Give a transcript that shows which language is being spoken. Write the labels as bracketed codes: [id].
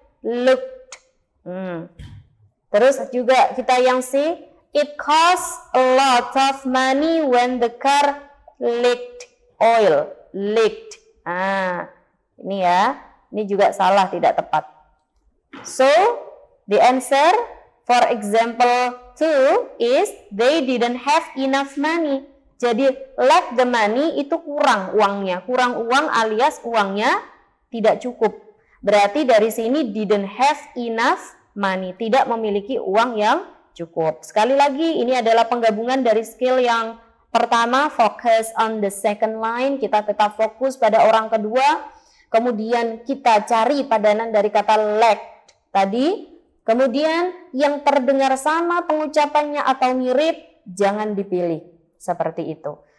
[en] Looked. [id] Terus juga kita yang C, [en] it costs a lot of money when the car leaked oil. Leaked. Ah. [id] Ini ya, ini juga salah, tidak tepat. [en] So, the answer for example 2 is they didn't have enough money. [id] Jadi, [en] lack the money [id] itu kurang uangnya. Kurang uang alias uangnya tidak cukup. Berarti dari sini [en] didn't have enough money. [id] Tidak memiliki uang yang cukup. Sekali lagi, ini adalah penggabungan dari skill yang pertama, [en] focus on the second line. [id] Kita tetap fokus pada orang kedua. Kemudian kita cari padanan dari kata lacked tadi. Kemudian yang terdengar sama pengucapannya atau mirip, jangan dipilih. Seperti itu.